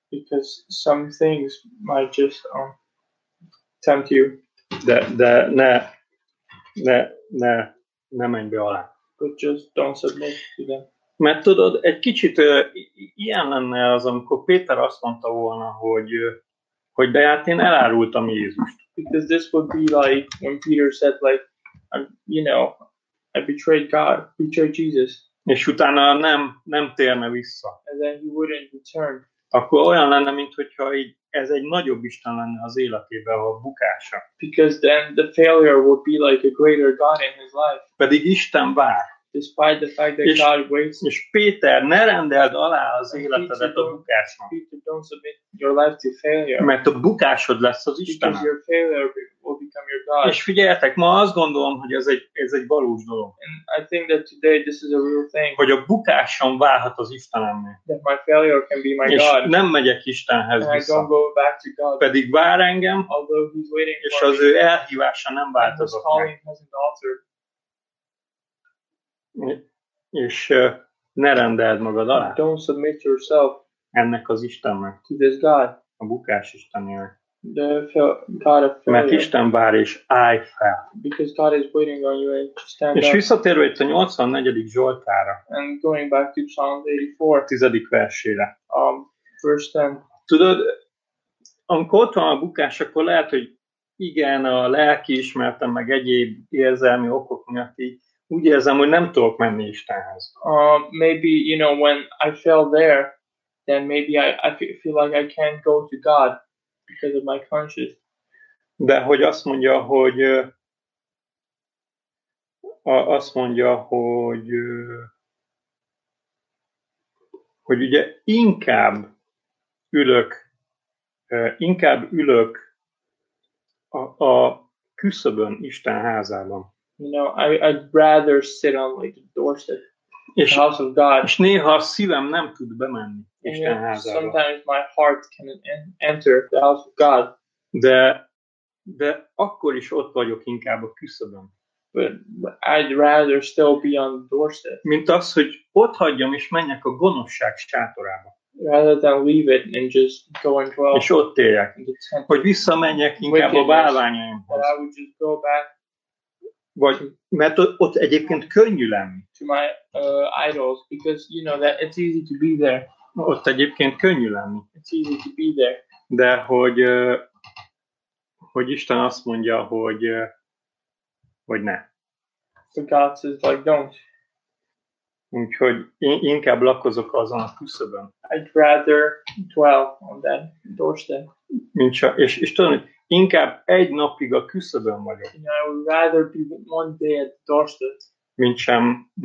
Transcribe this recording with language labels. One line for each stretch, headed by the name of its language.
English: Because some things might just tempt you.
Hungarian: De ne menj be alá.
English: But just don't submit to them.
Hungarian: Mert tudod, egy kicsit ilyen lenne az, amikor Péter azt mondta volna, hogy de hát én elárultam Jézust.
English: Because this would be like when Peter said like, you know, I betrayed God, betrayed Jesus.
Hungarian: És utána nem térne vissza.
English: And then he wouldn't return.
Hungarian: Akkor olyan lenne, mintha ez egy nagyobb Isten lenne az életében, a bukása.
English: Because then the failure would be like a greater God in his life.
Hungarian: Pedig Isten vár.
English: Despite the fact that God waits.
Hungarian: És Péter, ne rendeld alá az életedet a bukásnak.
English: Peter, don't submit your life to failure.
Hungarian: Mert a bukásod lesz az Isten.
English: Because your failure will become your God.
Hungarian: És figyeljetek, ma azt gondolom, hogy ez egy valós dolog.
English: And I think that today this is a real thing.
Hungarian: Hogy a bukásom válhat az Istenemmé.
English: That my failure can be my
Hungarian: és
English: God.
Hungarian: És nem megyek Istenhez
English: and
Hungarian: vissza.
English: I don't go back to God.
Hungarian: Pedig vár engem,
English: although he's waiting
Hungarian: és
English: for
Hungarian: az
English: me.
Hungarian: Ő elhívása nem változott
English: and his calling hasn't altered.
Hungarian: És ne rendeld magad alá.
English: Don't submit yourself.
Hungarian: Ennek az Istennek.
English: To this God.
Hungarian: A bukás Istennek.
English: The God of failure.
Hungarian: Mert Isten vár és állj fel.
English: Because God is waiting on you and stand up.
Hungarian: És visszatérve itt a 84. Zsoltára.
English: And going back to Psalm 84.
Hungarian: 10. versére.
English: Verse 10.
Hungarian: Tudod, amikor ott van a bukás, akkor lehet, hogy igen, a lelki ismertem, meg egyéb érzelmi okok miatt így, úgy érzem, hogy nem tudok menni Istenhez.
English: Maybe, you know, when I fell there, then maybe I feel like I can't go to God because of my conscience.
Hungarian: De hogy azt mondja, hogy ugye inkább ülök a küszöbön Isten házában.
English: You know, I'd rather sit on like the doorstep, the house of God.
Hungarian: És néha a szívem nem tud bemenni Isten házába.
English: Sometimes my heart can enter the house of God.
Hungarian: De akkor is ott vagyok inkább a küszöbön.
English: But I'd rather still be on the doorstep.
Hungarian: Mint az, hogy ott hagyjam és menjek a gonoszság sátorába.
English: Rather than leave it and just go and dwell.
Hungarian: És ott éljek. Hogy visszamenjek inkább a bálványaimhoz.
English: But I would just go back.
Hungarian: Vagy, mert ott egyébként könnyű lenni.
English: To my idols, because you know that it's easy to be there.
Hungarian: Ott egyébként könnyű lenni.
English: It's easy to be there.
Hungarian: De hogy Isten azt mondja, hogy ne.
English: So God says, like, don't.
Hungarian: Úgyhogy inkább lakozok azon a küszöbön.
English: I'd rather dwell on that doorstep.
Hungarian: És tudom, hogy inkább egy napig a küszöbön vagyok.
English: You know, I would rather be one day at the doorstep.